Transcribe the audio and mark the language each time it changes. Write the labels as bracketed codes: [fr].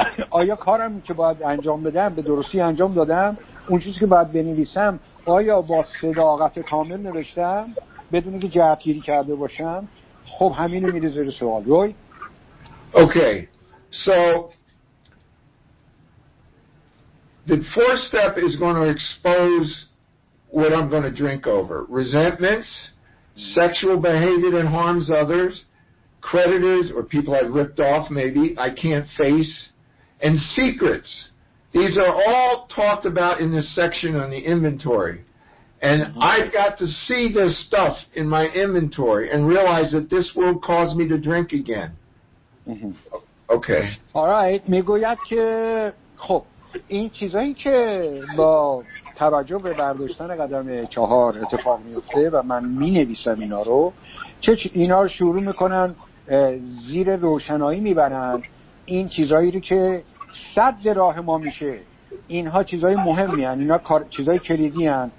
[fa] آیا کارم که باید انجام بدم به درستی انجام دادم، اون چیزی که باید بنویسم آیا با صداقت کامل نوشتم بدون اینکه جهت‌گیری کرده باشم؟ خب همینو میره زیر سوال. روی [en] Okay, so the fourth step is going to expose what I'm going to drink over. Resentments, sexual behavior that harms others, creditors or people I've ripped off maybe I can't face, and secrets. These are all talked about in this section on the inventory. And I've got to see this stuff in my inventory and realize that this will cause me to drink again. Mm-hmm. Okay. All right. [fa] میگوید که خب این چیزایی که با توجه به برداشتن قدم چهار اتفاق میفته و من مینویسم اینا رو، اینا رو شروع میکنن زیر روشنایی میبرن این چیزایی رو که صد راه ما میشه، اینها چیزای مهمی هن، اینها چیزای کلیدی هن.